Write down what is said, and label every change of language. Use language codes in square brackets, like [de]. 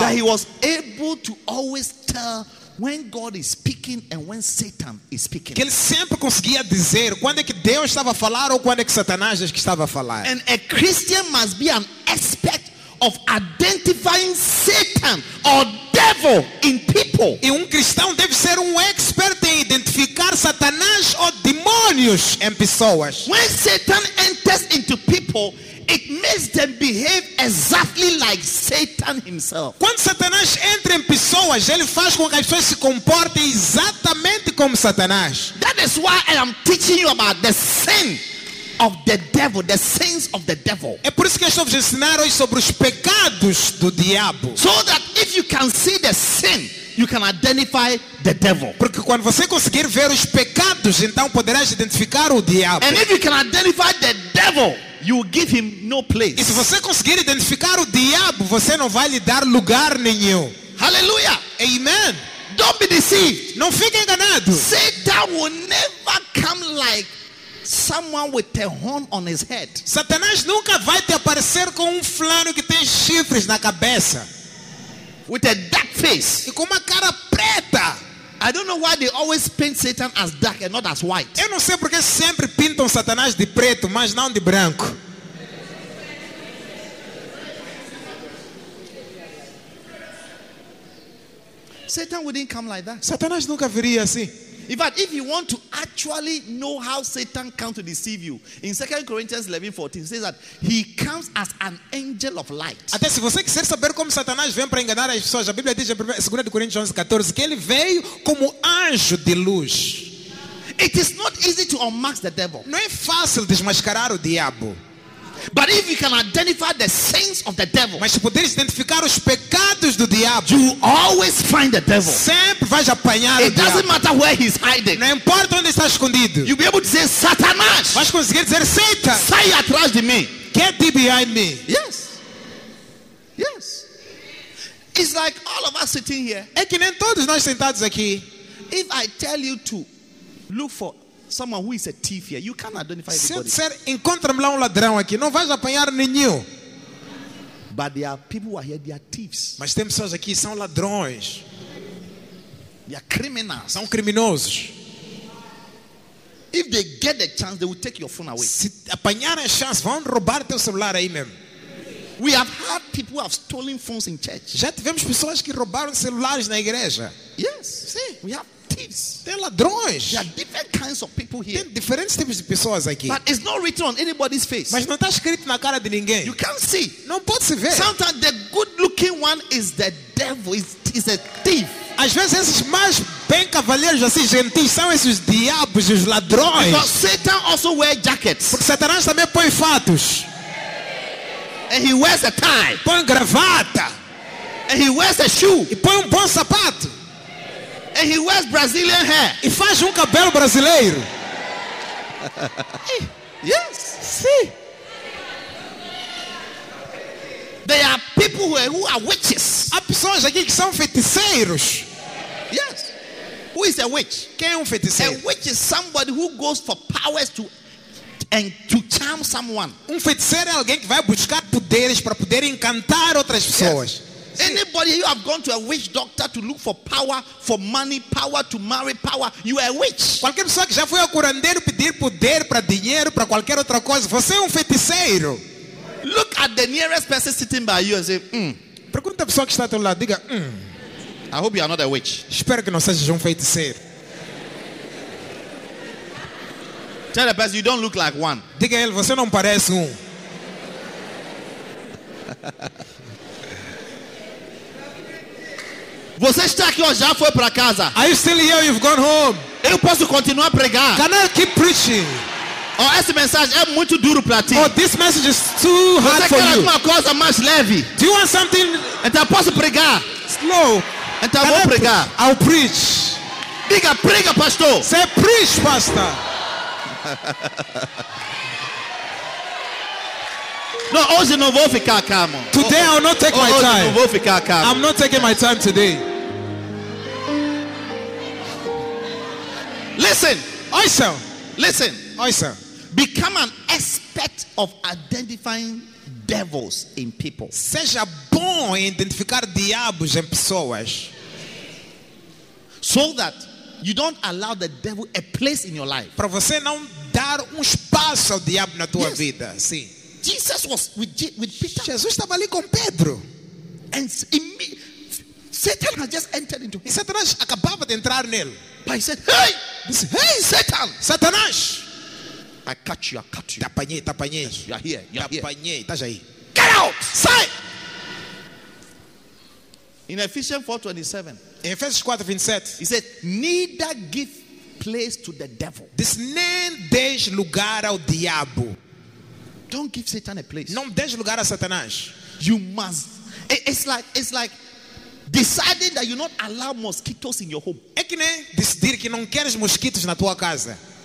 [en] That he was able to always tell when God is speaking and when Satan is speaking. [pt] Que ele sempre conseguia dizer quando é que Deus estava a falar ou quando é que Satanás estava a falar. [en] And a Christian must be an expert of identifying Satan or devil in people. [pt] E um cristão deve ser um expert em identificar Satanás ou demônios em pessoas. [en] When Satan enters into people, it makes them behave exactly like Satan himself. [pt] Quando Satanás entra em pessoas, ele faz com que as pessoas se comportem exatamente como Satanás. [en] That is why I am teaching you about the sin of the devil, the sins of the devil. [pt] É por isso que eu estou a ensinar hoje sobre os pecados do diabo. [en] So that if you can see the sin, you can identify the devil. [pt] Porque quando você conseguir ver os pecados, então poderás identificar o diabo. [en] And if you can identify the devil, you will give him no place. [pt] E se você conseguir identificar o diabo, você não vai lhe dar lugar nenhum. [en] Hallelujah. Amen. Don't be deceived. [pt] Não fique enganado. [en] Satan will never come like someone with a horn on his head. [pt] Satanás nunca vai te aparecer com um fulano que tem chifres na cabeça. [en] With a dark face. [pt] E com uma cara preta. [en] I don't know why they always paint Satan as dark and not as white. [pt] Eu não sei porque sempre pintam Satanás de preto, mas não de branco. [en] Satan wouldn't come like that. [pt] Satanás nunca viria assim. [en] In fact, if you want to actually know how Satan comes to deceive you, in 2 Corinthians 11:14, it says that he comes as an angel of light. [pt] Até se você quiser saber como Satanás vem para enganar as pessoas, a Bíblia diz em 2 Coríntios 11:14 que ele veio como anjo de luz. [en] It is not easy to unmask the devil. [pt] Não é fácil desmascarar o diabo. [en] But if you can identify the sins of the devil, [pt] mas se puderes identificar os pecados do diabo, [en] you always find the devil. [pt] Sempre vais apanhar [en] it [pt] o diabo. [en] It doesn't matter where he's hiding. [pt] Não importa onde está escondido. [en] You'll be able to say Satanás. [pt] Vais conseguir dizer Satan. Sai atrás de mim. [en] Get thee behind me. Yes. Yes. It's like all of us sitting here. [pt] É que nem todos nós sentados aqui. [en] If I tell you to look for someone who is a thief here, you can't identify anybody. [pt] Se eu disser, encontra-me lá ladrão aqui, não vais apanhar nenhum. [en] But there are people who are here, they are thieves. [pt] Mas tem pessoas aqui, são ladrões. [en] They are criminals. [pt] São criminosos. [en] If they get the chance, they will take your phone away. [pt] Se apanharem a chance, vão roubar teu celular aí mesmo. [en] We have had people who have stolen phones in church. [pt] Já tivemos pessoas que roubaram celulares na igreja. [en] Yes, see, we have. [pt] Tem ladrões. [en] There are different kinds of people here. [pt] Tem diferentes tipos de pessoas aqui. [en] But it's not written on anybody's face. [pt] Mas não está escrito na cara de ninguém. [en] You can't see. [pt] Não pode se ver. [en] Sometimes the good-looking one is the devil. Is a thief. [pt] Às vezes esses mais bem cavalheiros, assim gentis, são esses diabos, os ladrões. [en] Because Satan also wears jackets. [pt] Porque Satanás também põe fatos. [en] And he wears a tie. [pt] Põe gravata. [en] And he wears a shoe. [pt] E põe bom sapato. [en] And he wears Brazilian hair. [pt] E faz cabelo brasileiro. [en] Yes. See. There are people who are witches. [pt] Há pessoas aqui que são feiticeiros. [en] Yes. Who is a witch? [pt] Quem é feiticeiro? [en] A witch is somebody who goes for powers to charm someone. [pt] Feiticeiro é alguém que vai buscar poderes para poder encantar outras pessoas. [en] Yes. Anybody, you have gone to a witch doctor to look for power, for money, power to marry, power. You are a witch. [pt] Qualquer pessoa que já foi ao curandeiro pedir poder para dinheiro, para qualquer outra coisa, você é feiticeiro. [en] Look at the nearest person sitting by you and say, [pt] Pergunta a pessoa que está ao teu lado, diga, [en] I hope you are not a witch. [pt] Espero que não sejas feiticeiro. [en] Tell the person, you don't look like one. [pt] Diga a ele, você não parece Você está aqui ou já foi para casa? [en] Are you still here? You've gone home. [pt] Eu posso continuar a pregar? [en] Can I keep preaching? [pt] Ou essa mensagem é muito duro para ti? [en] Oh, this message is too hard for you. [pt] Você quer alguma coisa mais leve? [en] Do you want something? [pt] Então posso pregar? [en] Slow. [pt] Então vou pregar. [en] I'll preach. [pt] Diga, prega, pastor. [en] Say, preach, pastor. [pt] No, hoje não vou ficar calmo. [en] Today I will not take my time. [pt] Hoje não vou ficar calmo. [en] I'm not taking my time today. Listen. Oi, sir. Listen. Oi, sir. Become an expert of identifying devils in people. [pt] Seja bom em identificar diabos em pessoas. [en] So that you don't allow the devil a place in your life. [pt] Para você não dar espaço ao diabo na tua vida. Sim. [en] Jesus was with Peter. [pt] Jesus estava ali com Pedro. [en] And Satan had just entered into him. [pt] Satanás acabava de entrar nele. [en] But he said, hey! [pt] Disse, hey, Satan! [en] Satanás! I catch you, I catch you. [pt] Tapanhei, tapanhei. [en] Yes, you are here, you are here. [pt] Tapanhei, estás aí. [en] Get out! [pt] Sai! [en] In Ephesians 4:27. [pt] Em Efésios 4:27. [en] He said, neither give place to the devil. [pt] Diz, nem deis lugar ao diabo. [en] Don't give Satan a place. [pt] Não dê lugar a Satanás. [en] You must. It's like deciding that you not allow mosquitoes in your home. [pt] É que nem decidir que não queres mosquitos na tua casa.